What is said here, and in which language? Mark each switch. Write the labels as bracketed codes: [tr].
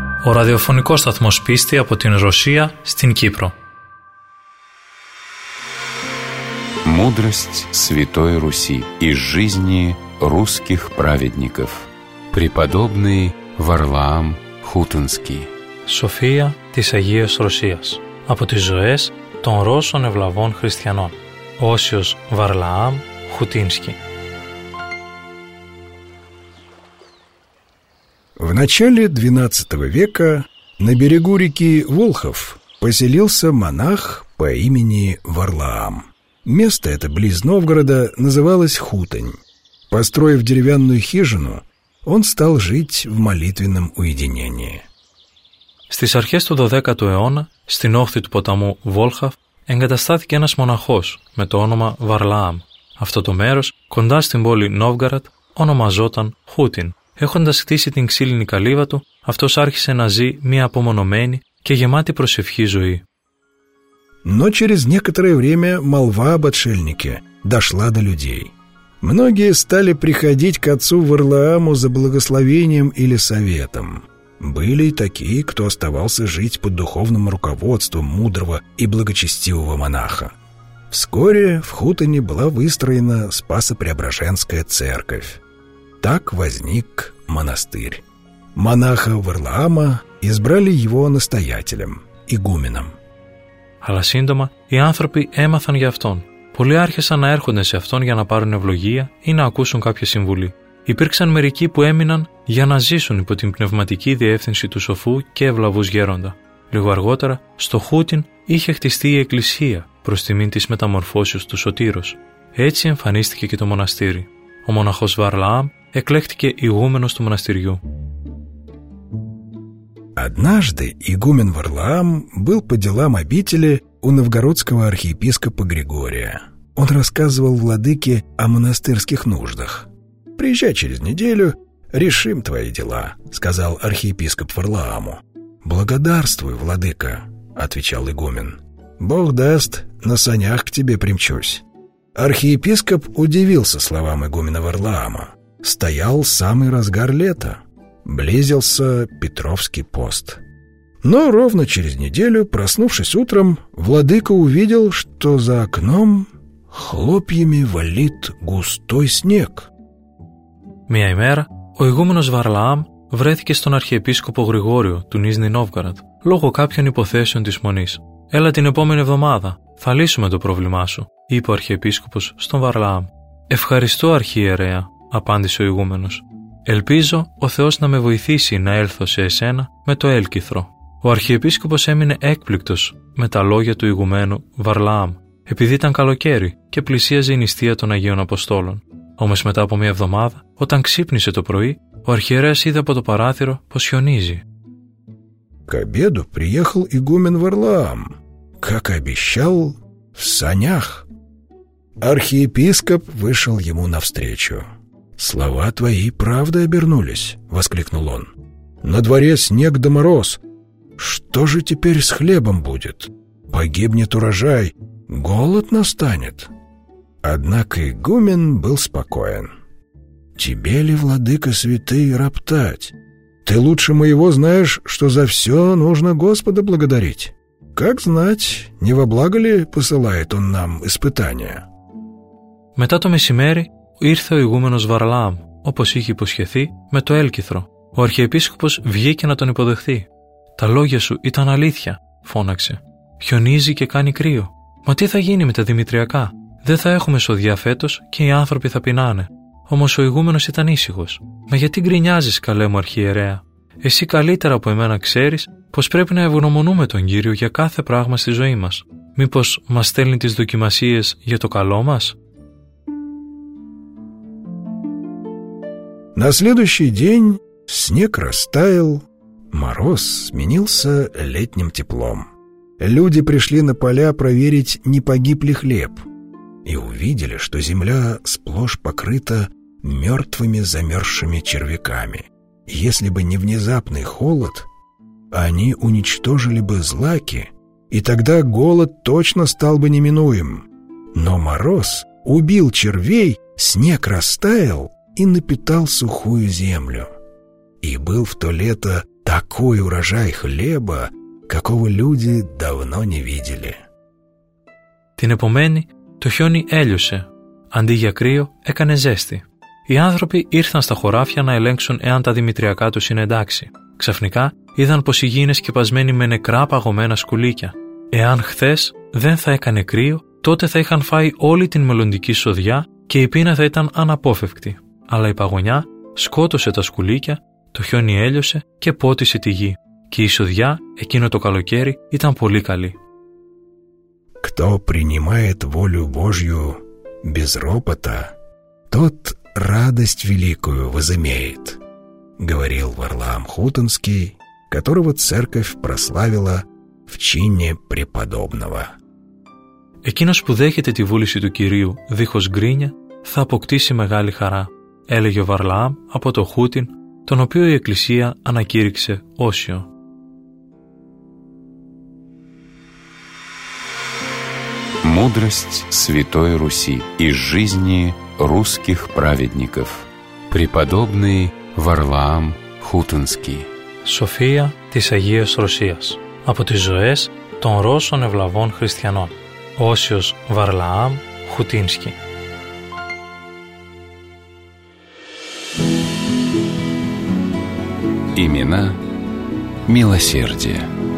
[el] О радиофонико статмос писти апо тин Россия стин Кипро. [ru] Мудрость Святой Руси из жизни русских праведников. Преподобный Варлаам Хутынский. [el] София της Αγίας Ρωσίας από τις ζωές των Ρώσων Ευλαβών Χριστιανών Όσιος Βαρλαάμ Χουτίνσκι. [ru] В начале 12 века на берегу реки Волхов поселился монах по имени Варлаам. Место это близ Новгорода называлось Хутынь. Построив деревянную хижину, он стал жить в молитвенном уединении. [el] Στις αρχές του 12ου αιώνα, στην όχθη του ποταμού Βόλχαφ, εγκαταστάθηκε ένας μοναχός με το όνομα Βαρλάαμ. Αυτό το μέρος, κοντά στην πόλη Νόβγαραντ, ονομαζόταν Χούτιν. Έχοντας χτίσει την ξύλινη καλύβα του, αυτός άρχισε να ζει μια απομονωμένη και γεμάτη προσευχή ζωή. [ru] Но через некоторое время молва об отшельнике дошла до людей. Многие стали приходить к отцу Варлааму за благословением или советом. Были и такие, кто оставался жить под духовным руководством мудрого и благочестивого монаха. Вскоре в Хутоне была выстроена Спасо-Преображенская церковь. Так возник монастырь. Монаха Варлаама избрали его настоятелем, игуменом. [el] Αλλά σύντομα οι άνθρωποι έμαθαν για αυτόν. Πολλοί άρχισαν να έρχονται σε αυτόν για να πάρουν ευλογία ή να ακούσουν κάποια συμβουλή. Υπήρξαν μερικοί που έμειναν για να ζήσουν υπό την πνευματική διεύθυνση του σοφού και ευλαβούς γέροντα. Λίγο αργότερα, στο Χούτιν είχε χτιστεί η εκκλησία προς τιμήν της μεταμορφώσεως του Σωτήρος. Έτσι εμφανίστηκε και το μοναστήρι. Ο μοναχός Βαρλάαμ εκλέχτηκε ηγούμενος του μοναστηριού. [ru] Однажды игумен Варлаам был по делам обители у новгородского архиепископа Григория. Он рассказывал владыке о монастырских нуждах. «Приезжай через неделю, решим твои дела», — сказал архиепископ Варлааму. «Благодарствуй, владыка», — отвечал игумен. «Бог даст, на санях к тебе примчусь». Архиепископ удивился словам игумена Варлаама. «Стоял самый разгар лета». Близился Петровский пост. Но ровно через неделю, проснувшись утром, владыка увидел, что за окном хлопьями валит густой снег. [el] Мия имера, ο игуменος Варлаам βρέθηκε στον αρχιεπίσκοπο Γρηγόριο του Νίζνη Νόβγαραντ λόγω κάποιων υποθέσεων της μονής. «Έλα την επόμενη εβδομάδα, θα λύσουμε το πρόβλημά σου», είπε ο αρχιεπίσκοπος στον Βαρλάαμ. «Ευχαριστώ, αρχιερέα», απάντησε ο ηγούμενος. «Ελπίζω ο Θεός να με βοηθήσει να έλθω σε εσένα με το έλκυθρο». Ο αρχιεπίσκοπος έμεινε έκπληκτος με τα λόγια του ηγουμένου Βαρλάαμ, επειδή ήταν καλοκαίρι και πλησίαζε η νηστεία των Αγίων Αποστόλων. Όμως μετά από μια εβδομάδα, όταν ξύπνησε το πρωί, ο αρχιερέας είδε από το παράθυρο πως χιονίζει. [ru] «К обеду приехал игумен Варлаам, как обещал, в санях. Архиепископ вышел ему навстречу. Слова твои правда обернулись», — воскликнул он. «На дворе снег да мороз. Что же теперь с хлебом будет? Погибнет урожай, голод настанет». Однако игумен был спокоен. «Тебе ли, владыка святый, роптать? Ты лучше моего знаешь, что за все нужно Господа благодарить. Как знать, не во благо ли посылает он нам испытания?» [el] Мета то месимери ήρθε ο ηγούμενος Βαρλάαμ, όπως είχε υποσχεθεί, με το έλκυθρο. Ο αρχιεπίσκοπος βγήκε να τον υποδεχθεί. «Τα λόγια σου ήταν αλήθεια», φώναξε. «Χιονίζει και κάνει κρύο. Μα τι θα γίνει με τα δημητριακά? Δεν θα έχουμε σοδιά φέτος και οι άνθρωποι θα πεινάνε». Όμως ο ηγούμενος ήταν ήσυχος. «Μα γιατί γκρινιάζεις, καλέ μου αρχιερέα? Εσύ καλύτερα από εμένα ξέρεις πως πρέπει να ευγνωμονούμε τον Κύριο για κάθε πράγμα στη ζωή μας. Μήπως μας στέλνει τις δοκιμασίες για το καλό μας?» [ru] На следующий день снег растаял, мороз сменился летним теплом. Люди пришли на поля проверить, не погиб ли хлеб, и увидели, что земля сплошь покрыта мертвыми замерзшими червяками. Если бы не внезапный холод, они уничтожили бы злаки, и тогда голод точно стал бы неминуем. Но мороз убил червей, снег растаял и напитал сухую землю. И был в то лето такой урожай хлеба, какого люди давно не видели. [el] Την επομένη, το χιόνι έλειωσε. Αντί για κρύο, έκανε ζέστη. Οι άνθρωποι ήρθαν στα χωράφια να ελέγξουν εάν τα δημητριακά τους είναι εντάξει. Ξαφνικά, είδαν πως η γη είναι σκεπασμένη με νεκρά παγωμένα σκουλίκια. Εάν χθες δεν θα έκανε κρύο, τότε θα είχαν φάει όλη την μελλοντική σοδιά και η πείνα θα ήταν αναπόφευκτη. Αλλά η παγωνιά σκότωσε τα σκουλίκια, το χιόνι έλειωσε και πότισε τη γη. Και η σοδειά εκείνο το καλοκαίρι ήταν πολύ καλή. [ru] «Кто принимает волю Божью без ропота, тот радость великую возымеет», говорил Варлаам Хутонский, которого церковь прославила в чине преподобного. [el] «Εκείνος που δέχεται τη βούληση του Κυρίου δίχως γκρίνια θα αποκτήσει μεγάλη χαρά», έλεγε ο Βαρλαάμ από το Χούτιν, τον οποίο η Εκκλησία ανακήρυξε όσιο. [ru] Мудрость Святой Руси из жизни русских праведников. Преподобный Варлаам Хутынский. [el] София της Αγίας Ρωσίας. Από τις ζωές των Ρώσων ευλαβών χριστιανών. Όσιος Βαρλαάμ Χουτίνσκι. [ru] Имена милосердия.